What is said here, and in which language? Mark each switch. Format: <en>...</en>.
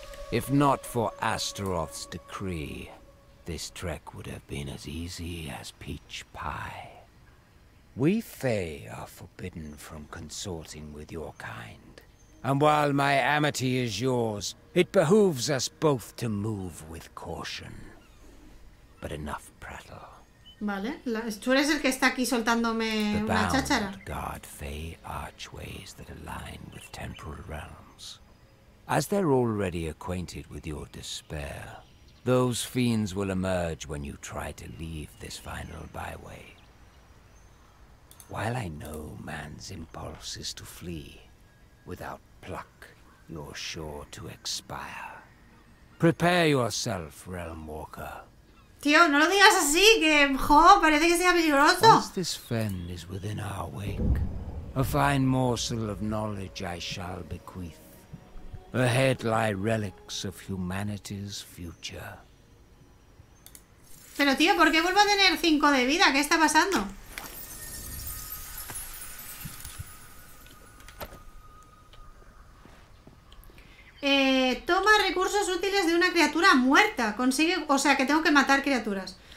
<en>If not for Astaroth's decree, this trek would have been as easy as peach pie. We Fae are forbidden from consorting with your kind. And while my amity is yours, it behooves us both to move with caution. But enough prattle.</en> <es>Vale, tú eres el que está aquí soltándome una cháchara.</es> <en>The bound guard Fae archways that align with temporal realms. As they're already acquainted with your despair, those fiends will emerge when you try to leave this final byway. While I know man's impulse is to flee, without pluck, you're sure to expire. Prepare yourself, Realm Walker.</en> <es>Tío, no lo digas así, que jo, parece que sea peligroso.</es> <en>Once this fen is within our wake, a fine morsel of knowledge I shall bequeath. Ahead lie relics of humanity's future.</en> <es>Pero tío, ¿por qué vuelvo a tener 5 de vida? ¿Qué está pasando? Toma recursos útiles de una criatura muerta. Consigue, o sea, que tengo que matar criaturas.</es>